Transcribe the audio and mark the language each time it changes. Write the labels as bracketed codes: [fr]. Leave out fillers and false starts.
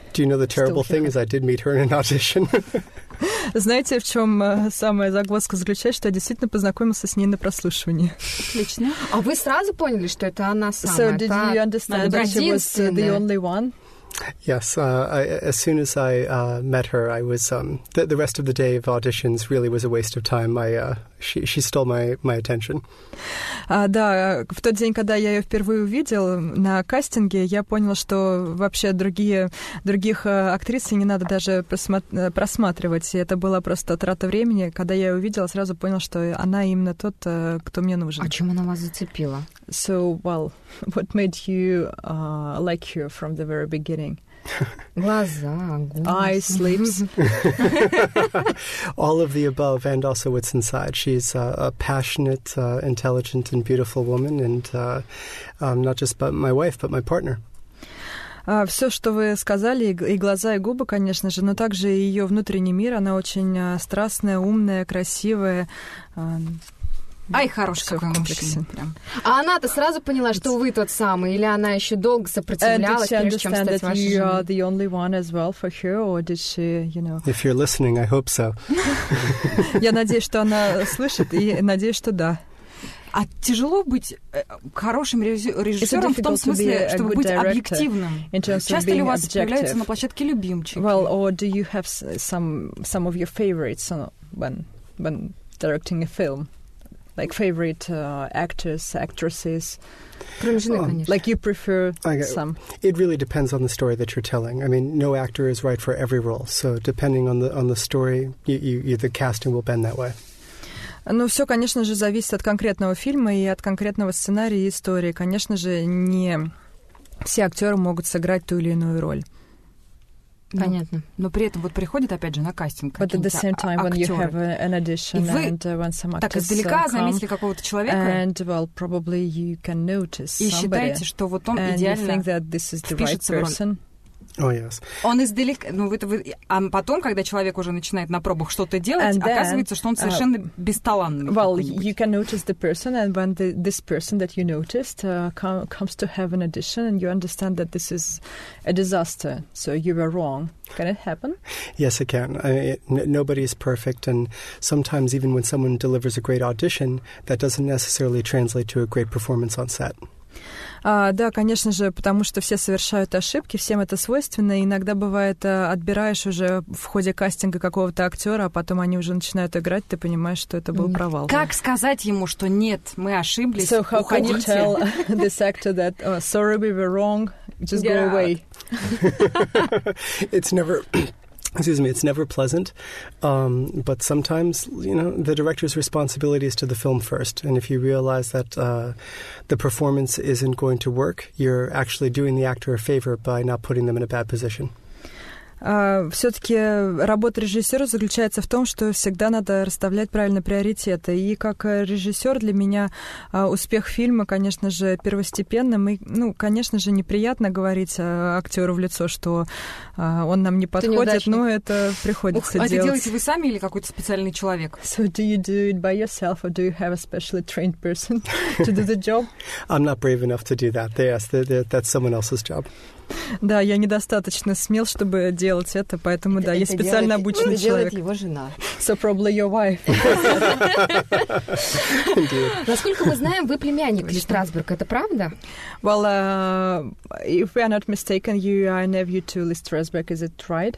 [en] Do you know the terrible thing is I did meet her in an audition. [ru] Знаете, в чем самая загвоздка заключается, что я действительно познакомился с ней на прослушивании. Отлично. А вы сразу поняли, что это она самая? [en] So did you understand that she was the only one? Yes, I, as soon as I met her, I was the rest of the day of auditions really was a waste of time. She stole my attention. [ru] Да, в тот день, когда я ее впервые увидел на кастинге, я понял, что вообще других актрис не надо даже просматривать. Это была просто трата времени. Когда я ее увидела, сразу понял, что она именно тот, кто мне нужен. А чем она вас зацепила? [en] So, well, what made you like her from the very beginning? [ru] Глаза, глаза. [en] Eyes, sleeps. All of the above and also what's inside. She's a passionate, intelligent and beautiful woman, and not just but my wife, but my partner. [ru] Все, что вы сказали, и глаза, и губы, конечно же, но также и ее внутренний мир. Она очень страстная, умная, красивая. Ай, хороший какой мужчина. А она-то сразу поняла, что вы тот самый, или она еще долго сопротивлялась, прежде чем стать вашей женой? [en] And did she understand that you are the only one as well for her, or did she, you know... If you're listening, I hope so. [ru] Я надеюсь, что она слышит, и надеюсь, что да. А тяжело быть хорошим режиссером в том смысле, чтобы быть объективным? Часто ли у вас появляются на площадке любимчики? [en] Well, or do you have some of your favorites when directing a film? Like favorite actors, actresses. Like you prefer some. It really depends on the story that you're telling. I mean, no actor is right for every role. So depending on the story, you the casting will bend that way. [ru] Ну, все, конечно же, зависит от конкретного фильма и от конкретного сценария и истории. Конечно же, не все актеры могут сыграть ту или иную роль. Понятно. Но при этом вот приходит, опять же, на кастинг какие-то актеры. [en] But at the same time, when you have an audition and when some actors [ru] так издалека заметили какого-то человека, [en] and, well, probably you can notice somebody, [ru] и считаете, что вот он идеально впишется в роль. [en] Oh, yes. [ru] Он издалека, ну, а потом, когда человек уже начинает на пробах что-то делать, and оказывается, что он совершенно бесталанный. [en] Well, you can notice the person, and when this person that you noticed comes to have an audition, and you understand that this is a disaster, so you were wrong. Can it happen? Yes, it can. Nobody is perfect, and sometimes even when someone delivers a great audition, that doesn't necessarily translate to a great performance on set. [ru] Да, конечно же, потому что все совершают ошибки, всем это свойственно. И иногда бывает, отбираешь уже в ходе кастинга какого-то актера, а потом они уже начинают играть, ты понимаешь, что это был провал. Как сказать ему, что нет, мы ошиблись, уходите? [en] So how can you tell this actor that, oh, sorry, we were wrong, just go away? It's never... Excuse me, it's never pleasant, but sometimes, you know, the director's responsibility is to the film first, and if you realize that the performance isn't going to work, you're actually doing the actor a favor by not putting them in a bad position. [ru] Все-таки работа режиссера заключается в том, что всегда надо расставлять правильно приоритеты. И как режиссер для меня успех фильма, конечно же, первостепенным. И, ну, конечно же, неприятно говорить актеру в лицо, что он нам не подходит, но это приходится делать. А это делаете вы сами или какой-то специальный человек? [en] So do you do it by yourself, or do you have a specially trained person to do the job? I'm not brave enough to do that. Yes, that's someone else's job. [ru] Да, я недостаточно смел, чтобы делать это, поэтому, да, я специально обученный человек. Это делает его жена. [en] So probably your wife. [ru] Насколько мы знаем, вы племянник Ли Страсберг, это правда? [en] Well, if we are not mistaken, you are nephew to Ли Страсберг, is it right?